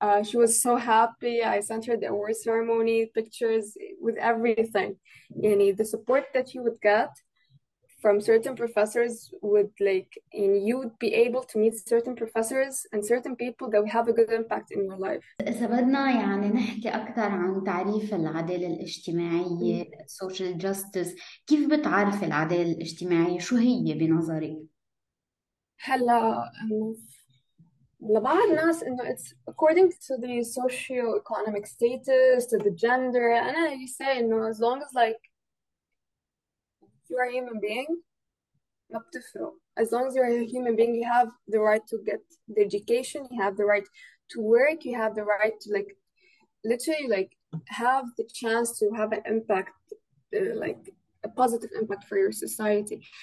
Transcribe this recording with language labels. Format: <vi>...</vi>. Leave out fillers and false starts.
<en>She was so happy. I sent her the award ceremony pictures with everything. And the support that you would get from certain professors would like and you'd be able to meet certain professors and certain people that would have a good impact in your life.</en> <ar>إذا بدنا يعني نحكي أكثر عن تعريف العدالة الاجتماعية social justice كيف بتعرف العدالة الاجتماعية شو هي بنظرك؟ هلا لبعض الناس انه</ar> <en>it's according to the socio-economic status to the gender and you say انه as long as like you are a human being</en> <ar>ما بتفرق</ar> <en>as long as you are a human being you have the right to get the education you have the right to work you have the right to like literally like have the chance to have an impact like a positive impact for your society.</en>